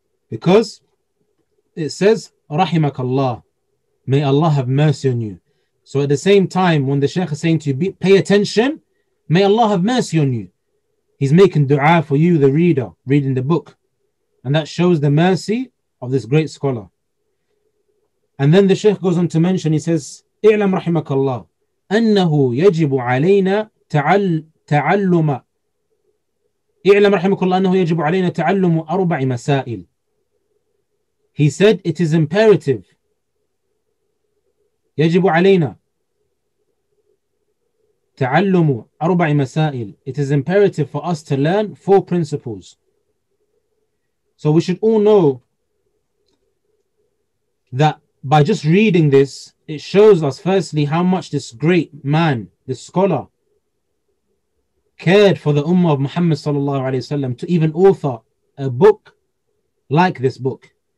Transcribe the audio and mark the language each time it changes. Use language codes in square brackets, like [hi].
[en] Because it says, Rahimakallah, may Allah have mercy on you. So at the same time, when the Shaykh is saying to you, pay attention, may Allah have mercy on you, he's making dua for you, the reader, reading the book. And that shows the mercy of this great scholar. And then the Shaykh goes on to mention, he says, [ar] إِعْلَمْ رَحِمَكَ اللَّهُ أَنَّهُ يَجِبُ عَلَيْنَا تَعَلُّمَ إِعْلَمْ رَحِمَكَ اللَّهُ أَنَّهُ يَجِبُ عَلَيْنَا تَعَلُّمُ أَرْبَعِ مَسَائِلِ. [en] He said, it is imperative. [ar] يَجِبُ عَلَيْنَا تَعَلُّمُ أَرْبَعِ مَسَائِلِ. [en] It is imperative for us to learn four principles. So we should all know that by just reading this, it shows us firstly how much this great man, this scholar, cared for the Ummah of Muhammad sallallahu alayhi wa sallam to even author a book like this book.